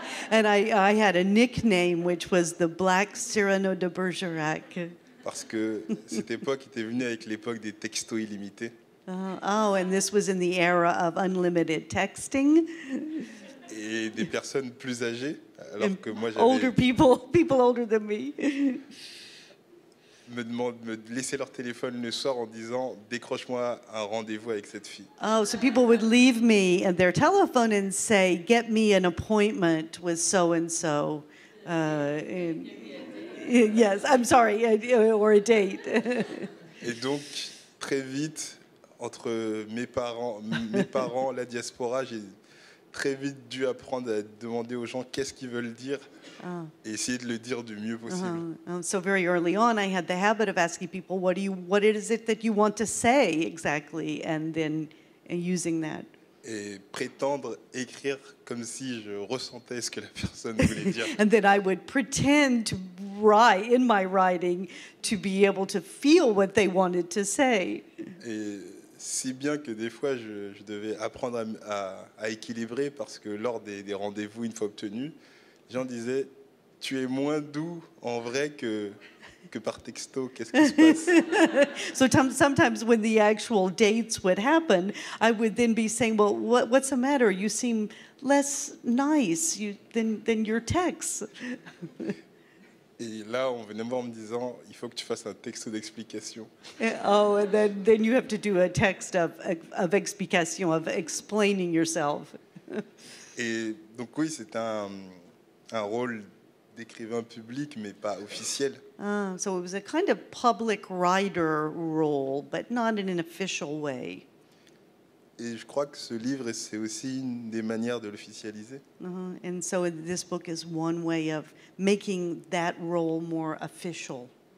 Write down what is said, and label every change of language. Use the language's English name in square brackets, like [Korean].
[English] And I had a nickname which was the Black Cyrano de Bergerac. [French] Parce que cette époque était venue avec l'époque des textos illimités. [English] Oh, and this was in the era of unlimited texting. [French] Et des personnes plus âgées, alors [English] and [French] que moi j'avais... [English] Older people, people older than me. [French] Me demandent de laisser leur téléphone le soir en disant, décroche-moi un rendez-vous avec cette fille. [English] Oh, so people would leave me and their telephone and say, get me an appointment with so-and-so. Yes, I'm sorry, or a date. [French] Et donc, très vite, entre mes parents, la diaspora, j'ai très vite dû apprendre à demander aux gens qu'est-ce qu'ils veulent dire et essayer de le dire du mieux possible. [English] So very early on, I had the habit of asking people, what is it that you want to say exactly, and then using that. [French] Et prétendre écrire comme si je ressentais ce que la personne voulait dire. [English] And then I would pretend to write in my writing to be able to feel what they wanted to say. [French] Et si bien que des fois je devais apprendre à équilibrer, parce que lors des rendez-vous une fois obtenus, les gens disaient, tu es moins doux en vrai que par texto, qu'est-ce qui se passe? [English] So sometimes when the actual dates would happen, I would then be saying, well, what's the matter? You seem less nice than your texts. [French] Et là, on venait me voir en me disant, il faut que tu fasses un texto d'explication. [English] Oh, and then you have to do a text of explication, of explaining yourself. [French] Et donc oui, c'est un rôle d'écrivain public, mais pas officiel. [English] So it was a kind of public writer role, but not in an official way. [French] Et je crois que ce livre, c'est aussi une des manières de l'officialiser. [English] And so this book is one way of making that role more official.